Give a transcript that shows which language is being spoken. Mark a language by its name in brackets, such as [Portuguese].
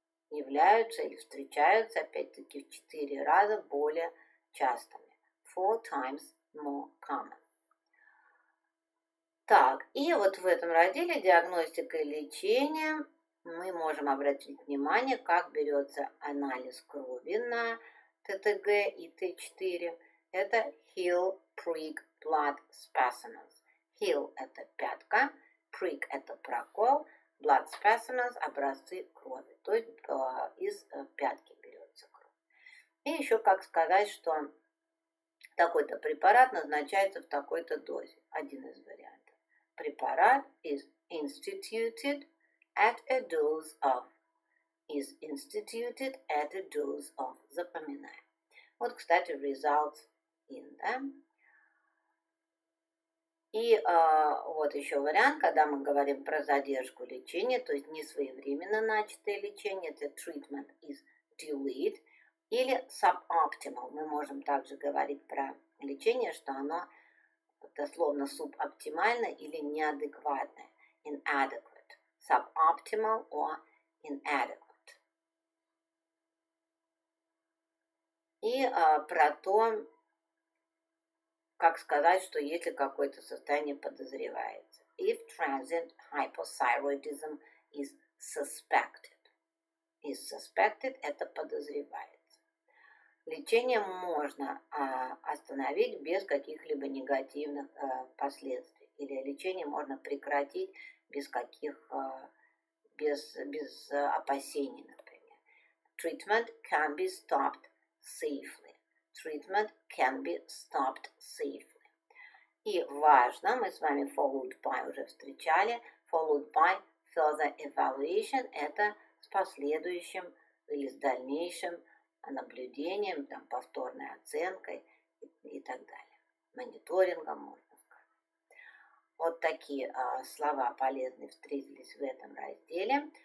[Russian] Являются или встречаются, опять-таки, в четыре раза более частыми. [English] Four times more common. [Russian] Так, и вот в этом разделе диагностика и лечение мы можем обратить внимание, как берется анализ крови на ТТГ и Т4. [English] Это heel prick blood specimens. [Russian] Heel – это пятка, prick – это прокол, [English] blood specimens [Russian] – образцы крови. То есть из пятки берется кровь. И еще как сказать, что такой-то препарат назначается в такой-то дозе. Один из вариантов. Препарат [English] is instituted at a dose of. Is instituted at a dose of. [Russian] Запоминаем. Вот, кстати, [English] results in them. [Russian] И вот еще вариант, когда мы говорим про задержку лечения, то есть несвоевременно начатое лечение, [English] the treatment is delayed, [Russian] или suboptimal. Мы можем также говорить про лечение, что оно дословно субоптимально или неадекватно, [English] inadequate, suboptimal or inadequate. [Russian] И про то, как сказать, что если какое-то состояние подозревается. [English] If transient hypothyroidism is suspected. Is suspected [Russian] – это подозревает. Лечение можно остановить без каких-либо негативных последствий. Или лечение можно прекратить без каких, без опасений, например. [English] Treatment can be stopped safely. Treatment can be stopped safely. [Russian] И важно, мы с вами followed by уже встречали, [English] followed by further evaluation, [Russian] это с последующим или с дальнейшим наблюдением, там, повторной оценкой и так далее. Мониторингом, можно сказать. Вот такие слова полезные встретились в этом разделе.